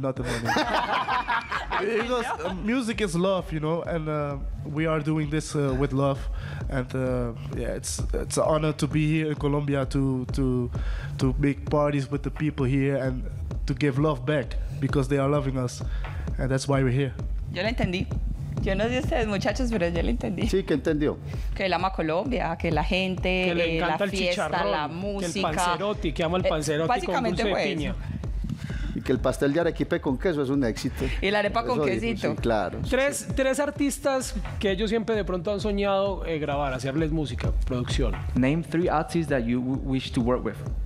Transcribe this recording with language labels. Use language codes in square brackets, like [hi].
[en] Because music is love, you know, and we are doing this with love, and it's an honor to be here in Colombia to make parties with the people here and to give love back because they are loving us, and that's why we're here. [es] Yo lo entendí. Yo no sé ustedes, muchachos, pero yo lo entendí. Sí, ¿qué entendió? Que él ama Colombia, que la gente, que le encanta el fiesta, la música. Que el panzerotti, que ama el panzerotti básicamente con dulce pues de piña. Que el pastel de Arequipe con queso es un éxito. Y la arepa con quesito. Sí, claro. Tres artistas que ellos siempre de pronto han soñado grabar, hacerles música, producción. [en] Name three artists that you wish to work with.